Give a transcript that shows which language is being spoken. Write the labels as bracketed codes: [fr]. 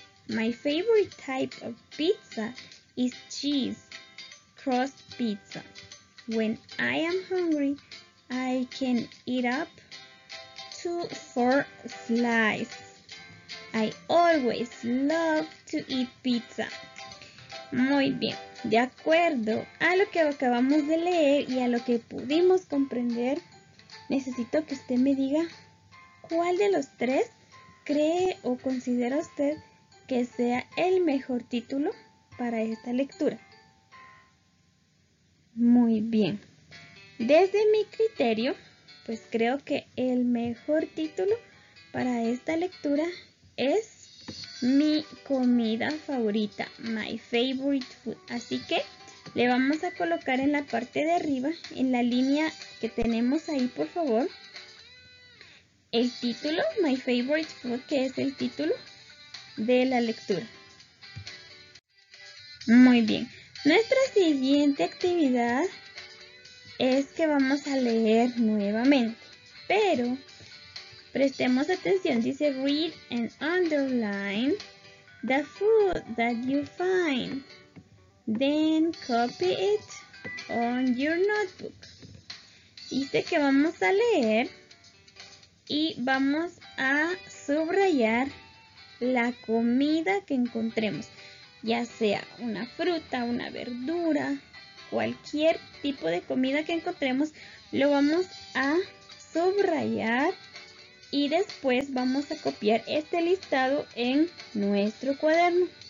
[en] My favorite type of pizza is cheese crust pizza. When I am hungry, I can eat up to 4 slices. I always love to eat pizza. [es] Muy bien, de acuerdo a lo que acabamos de leer y a lo que pudimos comprender, necesito que usted me diga, ¿cuál de los tres cree o considera usted que sea el mejor título para esta lectura? Muy bien. Desde mi criterio, pues creo que el mejor título para esta lectura es mi comida favorita, [en] my favorite food. [es] Así que le vamos a colocar en la parte de arriba, en la línea que tenemos ahí, por favor, el título, My Favorite Food, que es el título de la lectura. Muy bien. Nuestra siguiente actividad es que vamos a leer nuevamente. Pero prestemos atención. Dice, [en] read and underline the food that you find. Then copy it on your notebook. [es] Dice que vamos a leer y vamos a subrayar la comida que encontremos, ya sea una fruta, una verdura, cualquier tipo de comida que encontremos, lo vamos a subrayar y después vamos a copiar este listado en nuestro cuaderno.